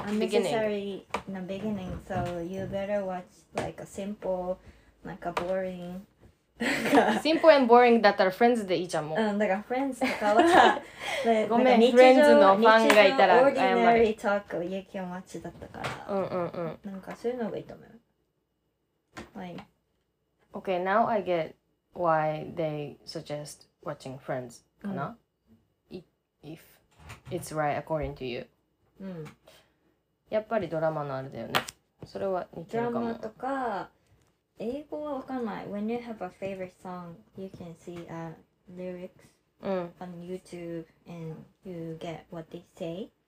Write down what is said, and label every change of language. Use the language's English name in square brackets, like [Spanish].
[English] Unnecessary in the beginning, so you better watch like a simple.Like a boring [Japanese] シンプルボーリングだったらフレンズでいいじゃん、もう。うん、だからフレンズとかは、ごめん、フレンズのファンがいたら謝る。オーディナリートーク、ユキオマッチだったから。うんうんうん。なんかそういうのがいいと思う。はい。 [English] Okay, now I get why they suggest watching Friends, かな、うん、if it's right according to you. [Japanese] うん。やっぱりドラマのあれだよね。それは似てるかも。ドラマとか、英語はわかんない。 [English] When you have a favorite song, you can see a lyrics、 [Japanese] うん、 [English] on YouTube and you get what they say.